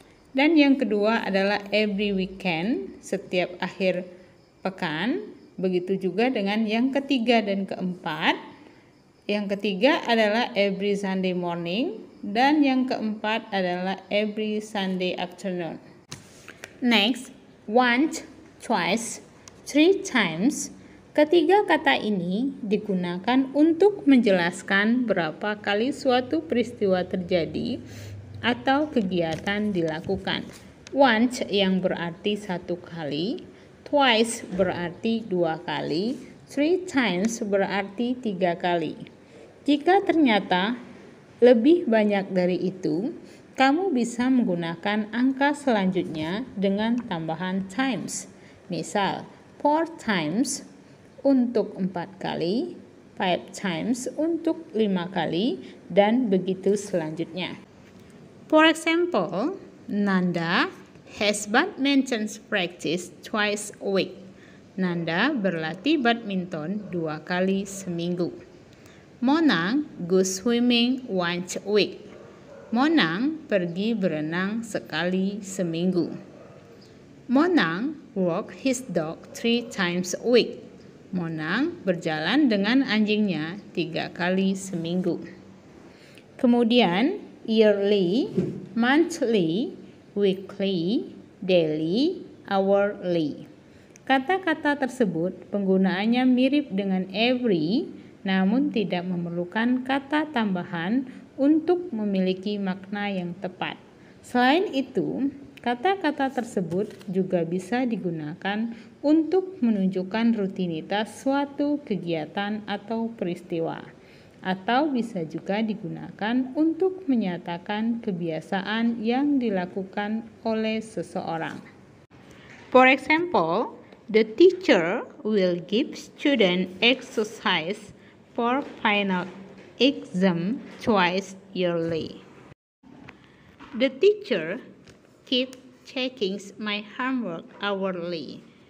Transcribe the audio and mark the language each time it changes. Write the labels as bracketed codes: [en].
[id] Dan yang kedua adalah [en] every weekend, [id] setiap akhir pekan. Begitu juga dengan yang ketiga dan keempat. Yang ketiga adalah [en] every Sunday morning, [id] dan yang keempat adalah [en] every Sunday afternoon. Next, once, twice, three times. [id] Ketiga kata ini digunakan untuk menjelaskan berapa kali suatu peristiwa terjadi atau kegiatan dilakukan. Once yang berarti satu kali, twice berarti dua kali, three times berarti tiga kali. Jika ternyata lebih banyak dari itu, kamu bisa menggunakan angka selanjutnya dengan tambahan times. Misal, 4 times untuk 4 kali, 5 times untuk 5 kali, dan begitu selanjutnya. [en] For example, Nanda has badminton practice twice a week. [id] Nanda berlatih badminton 2 kali seminggu. [en] Monang goes swimming once a week. [id] Monang pergi berenang sekali seminggu. [en] Monang walks his dog 3 times a week. [id] Monang berjalan dengan anjingnya 3 kali seminggu. Kemudian, yearly, monthly, weekly, daily, hourly. Kata-kata tersebut penggunaannya mirip dengan every, namun tidak memerlukan kata tambahan untuk memiliki makna yang tepat. Selain itu, kata-kata tersebut juga bisa digunakan untuk menunjukkan rutinitas suatu kegiatan atau peristiwa, atau bisa juga digunakan untuk menyatakan kebiasaan yang dilakukan oleh seseorang. [en] For example, the teacher will give student exercise for final exam twice yearly. The teacher keep checking my homework hourly.